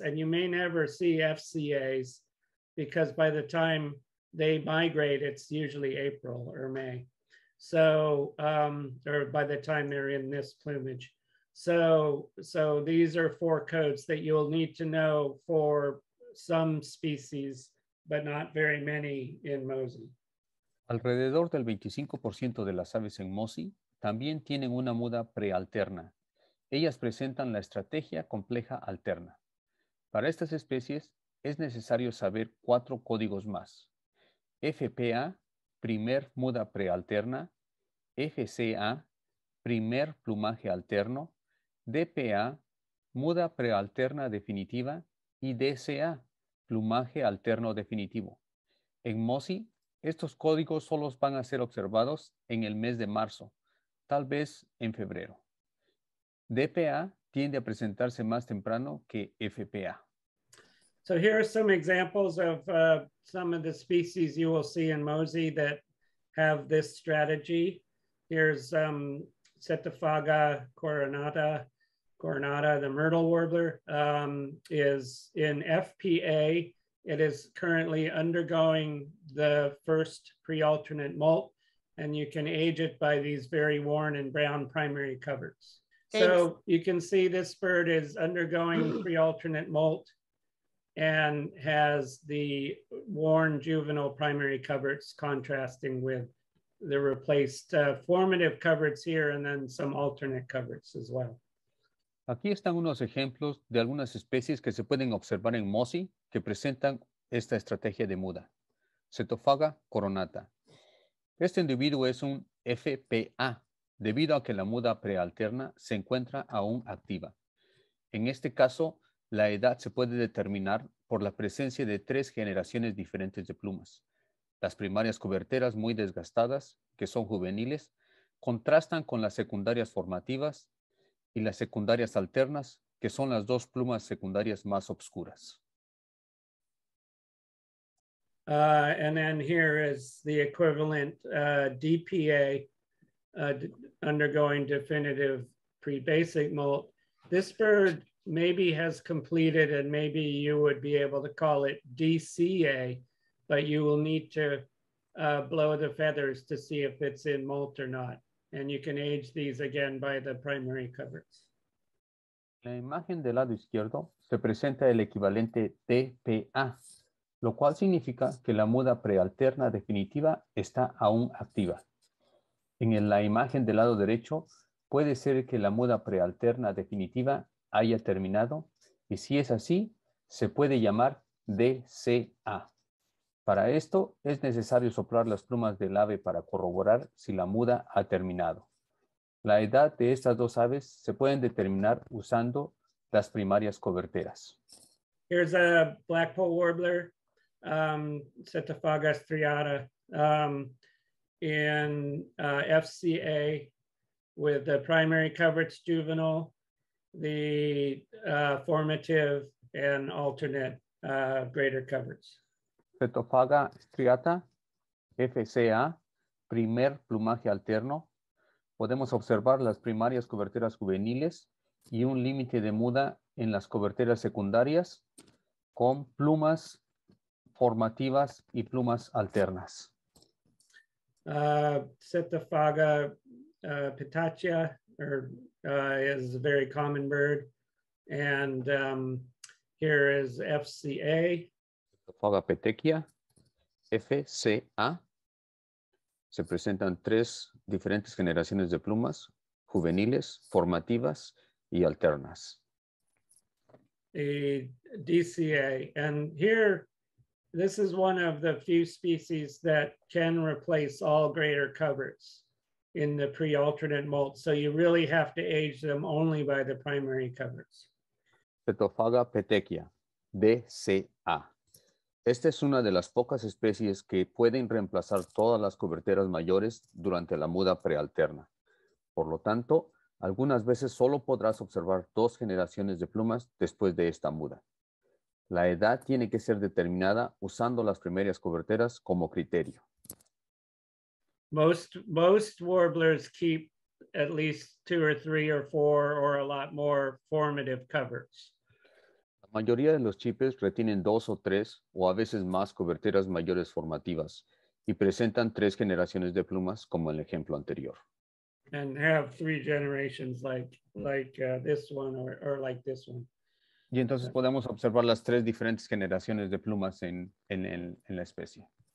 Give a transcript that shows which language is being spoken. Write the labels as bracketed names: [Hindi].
[English] And you may never see FCAs because by the time they migrate, it's usually April or May. So, or by the time they're in this plumage. So these are four codes that you'll need to know for some species, but not very many in MoSI. [Spanish] Alrededor del 25% de las aves en MoSI también tienen una muda prealterna. ellas presentan la estrategia compleja alterna. Para estas especies, es necesario saber cuatro códigos más. FPA, primer muda prealterna, FCA, primer plumaje alterno, DPA, muda prealterna definitiva, y DCA, plumaje alterno definitivo. En MoSI, estos códigos solo van a ser observados en el mes de marzo, tal vez en febrero. DPA tiende a presentarse más temprano que FPA. [English] So here are some examples of some of the species you will see in MoSI that have this strategy. Here's Cetaphaga coronata. Coronata, the myrtle warbler, is in FPA. It is currently undergoing the first prealternate molt, and you can age it by these very worn and brown primary covers. Thanks. So you can see this bird is undergoing prealternate molt and has the worn juvenile primary coverts contrasting with the replaced formative coverts here and then some alternate coverts as well. [Spanish] Aquí están unos ejemplos de algunas especies que se pueden observar en MoSI que presentan esta estrategia de muda. Cetaphaga coronata. Este individuo es un FPA debido a que la muda prealterna se encuentra aún activa. En este caso, la edad se puede determinar por la presencia de tres generaciones diferentes de plumas. Las primarias coberteras muy desgastadas, que son juveniles, contrastan con las secundarias formativas y las secundarias alternas, que son las dos plumas secundarias más obscuras. [English] And then here is the equivalent DPA undergoing definitive pre-basic molt. This bird maybe has completed, and maybe you would be able to call it DCA, but you will need to blow the feathers to see if it's in molt or not. And you can age these again by the primary coverts. [Spanish] La imagen del lado izquierdo se presenta el equivalente TPA, lo cual significa que la muda prealterna definitiva está aún activa. En la imagen del lado derecho, puede ser que la muda prealterna definitiva haya terminado, y si es así, se puede llamar DCA. Para esto, es necesario soplar las plumas del ave para corroborar si la muda ha terminado. La edad de estas dos aves se pueden determinar usando las primarias coberteras. [English] Here's a black pole warbler, Cetaphaga striata, in FCA with the primary coverts juvenile, the formative and alternate greater coverts. [Spanish] Cetaphaga striata, FCA, primer plumaje alterno. Podemos observar las primarias coberteras juveniles y un límite de muda en las coberteras secundarias con plumas formativas y plumas alternas. [English] Cetaphaga pitacea is a very common bird. And here is FCA. [Spanish] Cetaphaga petechia, FCA. Se presentan tres diferentes generaciones de plumas, juveniles, formativas y alternas. [English] A DCA. And here, this is one of the few species that can replace all greater coverts in the prealternate molt. So you really have to age them only by the primary coverts. [Spanish] Cetaphaga petechia, DCA. Esta es una de las pocas especies que pueden reemplazar todas las coberteras mayores durante la muda prealterna. Por lo tanto, algunas veces solo podrás observar dos generaciones de plumas después de esta muda. La edad tiene que ser determinada usando las primarias coberteras como criterio. [English] Most warblers keep at least two or three or four or a lot more formative coverts. [Spanish] La mayoría de los chipes retienen dos o tres o a veces más coberteras mayores formativas y presentan tres generaciones de plumas como el ejemplo anterior. [English] And have three generations this one or like this one. [Spanish] Y entonces podemos observar las tres diferentes generaciones de plumas en la especie.